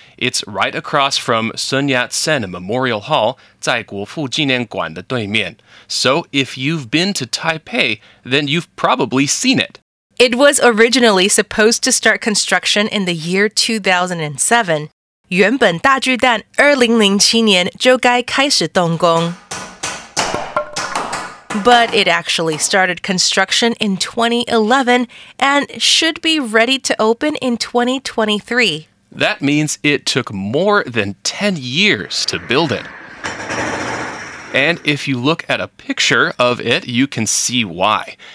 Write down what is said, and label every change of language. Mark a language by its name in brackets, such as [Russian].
[English] It's right across from Sun Yat-sen Memorial Hall, [Chinese] 在国父纪念馆的对面. [English] So if you've been to Taipei, then you've probably seen it. It was originally supposed to start construction in the year 2007. [Chinese] 原本大巨蛋2007年就该开始动工。 [English] But it actually started construction in 2011 and should be ready to open in 2023. That means it took more than 10 years to build it. And if you look at a picture of it, you can see why.